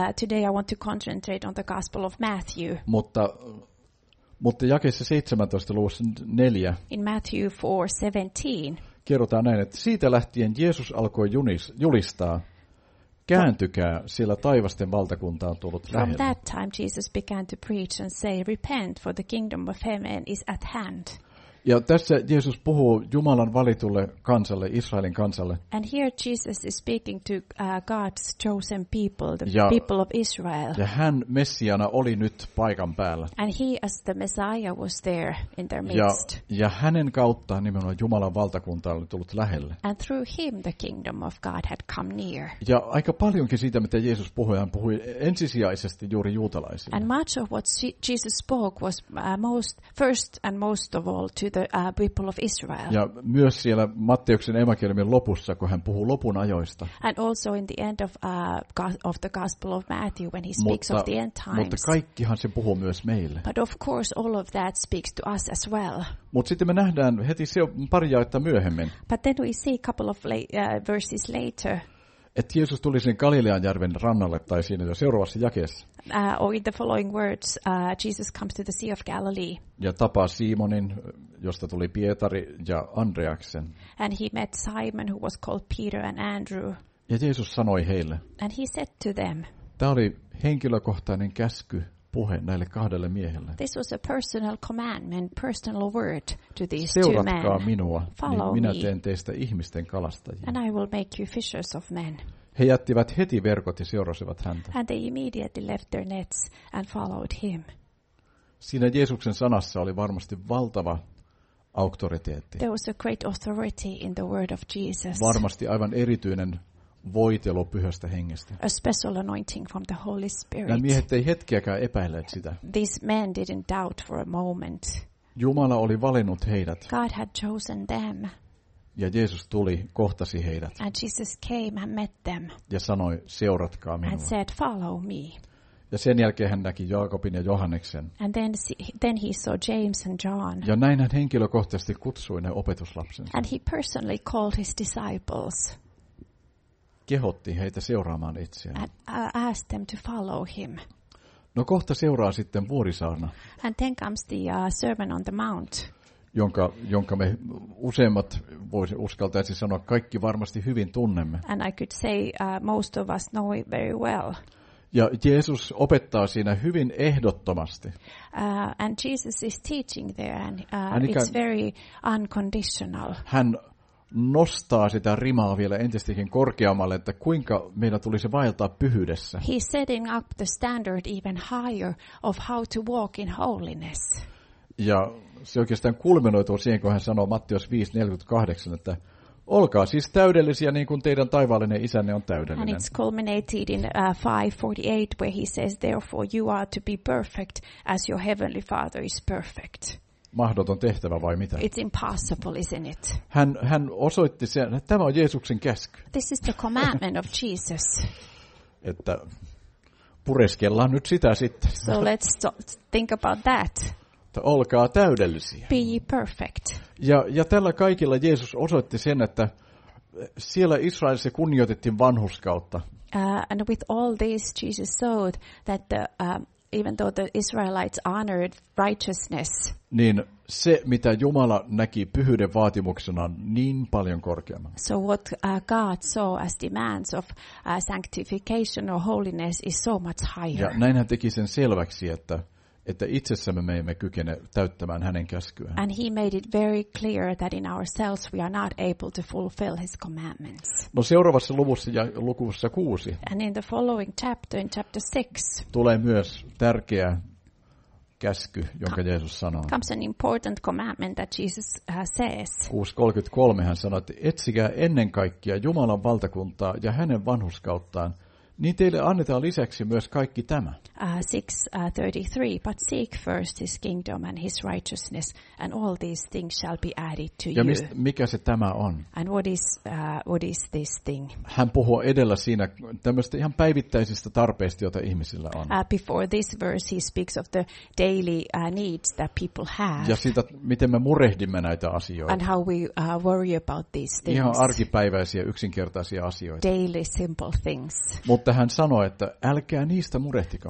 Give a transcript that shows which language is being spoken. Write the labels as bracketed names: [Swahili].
[English] Today I want to concentrate on the gospel of Matthew. [Finnish] Mutta jakeessa 17 luvussa 4. [English] In Matthew 4:17. [Finnish] Kerrotaan näin, että siitä lähtien Jeesus alkoi julistaa, kääntykää, sillä taivasten valtakunta on tullut lähelle. [English] From that time Jesus began to preach and say, repent for the kingdom of heaven is at hand. [Finnish] Ja tässä Jeesus puhuu Jumalan valitulle kansalle, Israelin kansalle. [English] And here Jesus is speaking to God's chosen people, people of Israel. [Finnish] Ja hän Messiaana oli nyt paikan päällä. [English] And he as the Messiah was there in their midst. [Finnish] Ja hänen kauttaan nimenomaan Jumalan valtakunta oli tullut lähelle. [English] And through him the kingdom of God had come near. [Finnish] Ja aika paljonkin siitä, mitä Jeesus puhui, hän puhui ensisijaisesti juuri juutalaisille. [English] And much of what Jesus spoke was first and most of all to the people of Israel. [Finnish] Ja myös siellä Matteuksen evankeliumin lopussa, kun hän puhuu lopun ajoista. [English] And also in the end of the Gospel of Matthew when he speaks of the end times. [Finnish] Mutta kaikkihan se puhuu myös meille. [English] But of course all of that speaks to us as well. [Finnish] Mut sitten me nähdään heti se pari jaetta myöhemmin. [English] But then we see a couple of verses later. [Finnish] Että Jeesus tuli sinne Galilean järven rannalle tai siinä jo seuraavassa jakeessa. [English] Or in the following words, Jesus comes to the Sea of Galilee. [Finnish] Ja tapaa Simonin, josta tuli Pietari, ja Andreaksen. [English] And he met Simon, who was called Peter and Andrew. [Finnish] Ja Jeesus sanoi heille. [English] And he said to them. [Finnish] Tämä oli henkilökohtainen käsky, puhe näille kahdelle miehelle. [English] This was a personal commandment, personal word to these two men. [Finnish] Seuratkaa minua, niin minä teen teistä ihmisten kalastajia. [English] And I will make you fishers of men. [Finnish] He jättivät heti verkot ja seurasivat häntä. [English] And they immediately left their nets and followed him. [Finnish] Siinä Jeesuksen sanassa oli varmasti valtava auktoriteetti. [English] There was a great authority in the word of Jesus. [Finnish] Varmasti aivan erityinen voitelo Pyhästä Hengestä. [English] A special anointing from the Holy Spirit. [Finnish] Nämä miehet ei hetkiäkään epäilleet sitä. [English] These men didn't doubt for a moment. [Finnish] Jumala oli valinnut heidät. [English] God had chosen them. [Finnish] Ja Jeesus tuli, kohtasi heidät. [English] And Jesus came and met them. [Finnish] Ja sanoi, seuratkaa minua. [English] And said, follow me. [Finnish] Ja sen jälkeen hän näki Jaakobin ja Johanneksen. [English] And then he saw James and John. [Finnish] Ja näin hän henkilökohtaisesti kutsui ne opetuslapsensa. [English] And he personally called his disciples. [Finnish] Kehotti heitä seuraamaan itseään. [English] Asked them to follow him. [Finnish] No kohta seuraa sitten vuorisaarna. [English] And then comes the Sermon on the Mount. [Finnish] Jonka me useimmat voisi uskaltaisi sanoa kaikki varmasti hyvin tunnemme. [English] And I could say most of us know it very well. [Finnish] Ja Jeesus opettaa siinä hyvin ehdottomasti. [English] And Jesus is teaching there and it's very unconditional. [Finnish] Hän nostaa sitä rimaa vielä entistäkin korkeammalle, että kuinka meidän tulisi vaeltaa pyhyydessä. [English] He's setting up the standard even higher of how to walk in holiness. [Finnish] Ja se oikeastaan kulminoituu siihen, kun hän sanoo Matteus 5:48, että olkaa siis täydellisiä niin kuin teidän taivaallinen isänne on täydellinen. [English] And it's culminated in 5:48 where he says, therefore you are to be perfect as your heavenly father is perfect. [Finnish] mahdoton tehtävä vai mitä? [English] It's impossible, isn't it? [Finnish] Hän osoitti sen, että tämä on Jeesuksen käsky. [English] This is the commandment of Jesus. [Finnish] Että pureskellaan nyt sitä sitten. [English] So let's think about that. [Finnish] Että olkaa täydellisiä. [English] Be perfect. [Finnish] Ja tällä kaikilla Jeesus osoitti sen, että siellä Israelissa kunnioitettiin vanhurskautta. [English] And with all this, Jesus showed that the, even though the Israelites honored righteousness, [Finnish] niin se, mitä Jumala näki pyhyyden vaatimuksena, niin paljon korkeammalla. [English] So what God saw as demands of sanctification or holiness is so much higher. [Finnish] Ja näinhän teki sen selväksi, että itsessämme me emme kykene täyttämään hänen käskyään. [English] And he made it very clear that in ourselves we are not able to fulfill his commandments. [Finnish] No seuraavassa luvussa ja lukussa 6. [English] And in the following chapter, in chapter 6. [Finnish] Tulee myös tärkeä käsky, jonka Jeesus sanoo. [English] Comes an important commandment that Jesus says. [Finnish] 6:33 hän sanoi, että etsikää ennen kaikkea Jumalan valtakuntaa ja hänen vanhurskauttaan, niin teille annetaan lisäksi myös kaikki tämä. [English] 6:33, but seek first his kingdom and his righteousness, and all these things shall be added to you. [Finnish] Ja mikä se tämä on? [English] And what is this thing? [Finnish] Hän puhuu edellä siinä tämmöistä ihan päivittäisistä tarpeista, joita ihmisillä on. [English] Before this verse, he speaks of the daily needs that people have. [Finnish] Ja siitä, miten me murehdimme näitä asioita. [English] And how we worry about these things. [Finnish] Ihan arkipäiväisiä, yksinkertaisia asioita. [English] Daily simple things. [Finnish] Mutta hän sanoi, että älkää niistä murehtiko.